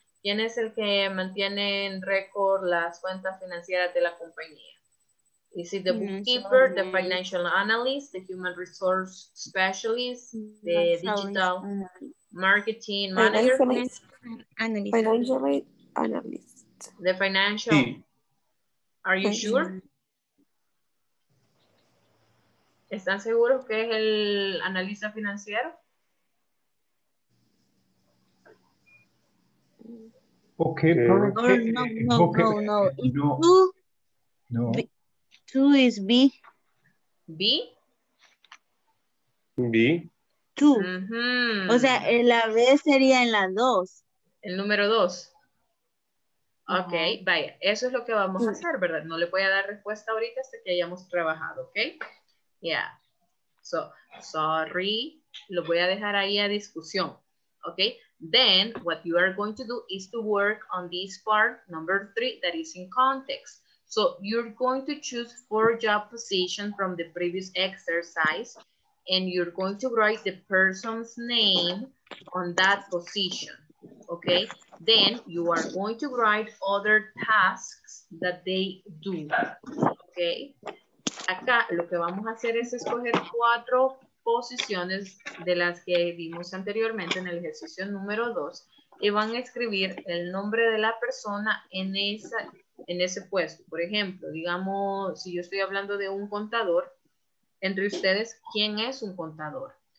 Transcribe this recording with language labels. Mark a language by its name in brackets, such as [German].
[Spanish] ¿Quién es el que mantiene en récord las cuentas financieras de la compañía? [English] Is it the bookkeeper, the financial analyst, the human resource specialist, the digital marketing manager? Financial analyst. The financial. Are you sure? [Spanish] ¿Están seguros que es el analista financiero? [English] Bookkeeper. No, no, no, no, no. No. B. Two is B. B. B. Two. [Spanish] Mm-hmm. O sea, la B sería en la dos. El número dos. Ok, vaya, eso es lo que vamos a hacer, ¿verdad? No le voy a dar respuesta ahorita hasta que hayamos trabajado, ¿ok? Yeah. [English] So, sorry, [Spanish] lo voy a dejar ahí a discusión, ¿ok? [English] Then, what you are going to do is to work on this part, number three, that is in context. So, you're going to choose four job positions from the previous exercise, and you're going to write the person's name on that position. Okay, then you are going to write other tasks that they do. [Spanish] Okay, acá lo que vamos a hacer es escoger cuatro posiciones de las que vimos anteriormente en el ejercicio número 2 y van a escribir el nombre de la persona en esa, en ese puesto. Por ejemplo, digamos, si yo estoy hablando de un contador, entre ustedes, ¿quién es un contador?